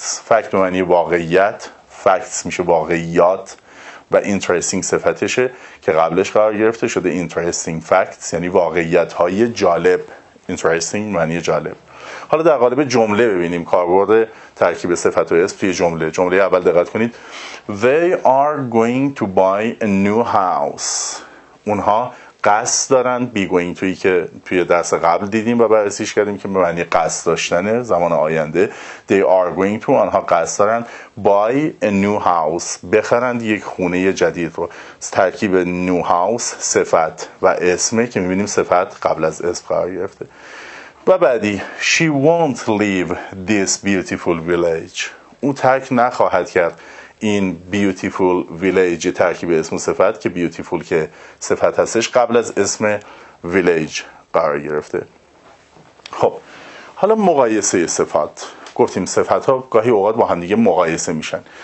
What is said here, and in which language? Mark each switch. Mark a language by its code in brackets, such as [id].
[fa] fact به معنی واقعیت، facts میشه واقعیات و interesting صفتشه که قبلش قرار گرفته شده. interesting facts یعنی واقعیت های جالب. interesting معنی جالب. حالا در قالب جمله ببینیم کاربرد ترکیب صفت و اسم توی جمله. جمله اول دقت کنید. [en] They are going to buy a new house. [fa] اونها قصد دارن. be going to که توی درس قبل دیدیم و بررسیش کردیم که به معنی قصد داشتنه زمان آینده. [en] They are going to، [fa] آنها قصد دارن [en] buy a new house، [fa] بخرند یک خونه جدید رو. ترکیب new house صفت و اسمه که میبینیم صفت قبل از اسم قرار گرفته. و بعدی [en] she won't leave this beautiful village. [fa] او ترک نخواهد کرد این beautiful village، ترکیب اسم و صفت که beautiful که صفت هستش قبل از اسم village قرار گرفته. خب حالا مقایسه صفت. گفتیم صفت ها گاهی اوقات با هم دیگه مقایسه میشن.